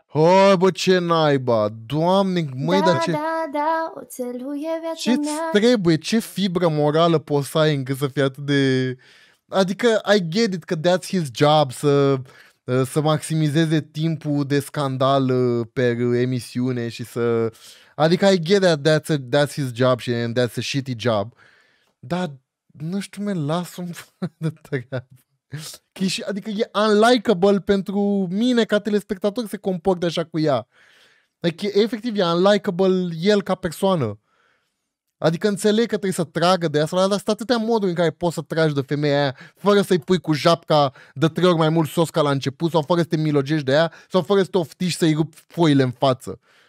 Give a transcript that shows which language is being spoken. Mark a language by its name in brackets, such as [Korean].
[Romanian] Hai bă, ce naiba, doamne, măi, da, dar ce... Da, da, da, oțelul e viața ce-ți mea. Ce-ți trebuie, ce fibră morală poți să ai încât să fii atât de... Adică, [English] I get it, [Romanian] că [English] that's his job, [Romanian] să maximizeze timpul de scandal pe emisiune și să... [English] Adică I get that, that's his job și that's a shitty job. [Romanian] Dar, nu știu, mă, las-o de treabă. Adică e unlikable pentru mine ca telespectator se comportă așa cu ea. Adică, efectiv, e unlikable el ca persoană. Adică înțeleg că trebuie să tragă de asta, dar sunt atâtea moduri în care poți să tragi de femeia aia fără să-i pui cu japca de trei ori mai mult sos ca la început sau fără să te milogești de ea sau fără să te oftiști să-i rupi foile în față.